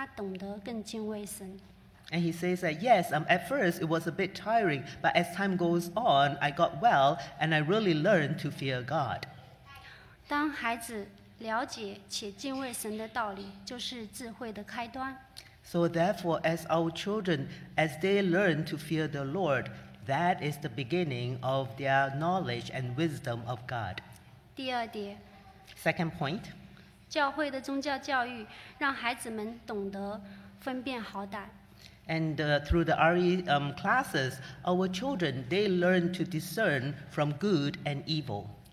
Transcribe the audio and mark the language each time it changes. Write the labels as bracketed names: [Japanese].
[Chinese] 他说一开始是会，但是之后完全没有，感谢神带领他，让他懂得更敬畏神。 [English] And he says that yes, at first it was a bit tiring, but as time goes on, I got well, and I really learned to fear God. [Chinese] 当孩子了解且敬畏神的道理，就是智慧的开端。 [English] So therefore, as our children, as they learn to fear the Lord, that is the beginning of their knowledge and wisdom of God. [Chinese] 第二点, [English] Second point. [Chinese] 教会的宗教教育让孩子们懂得分辨好歹。 [English] And through the RE classes, our children, they learn to discern from good and evil.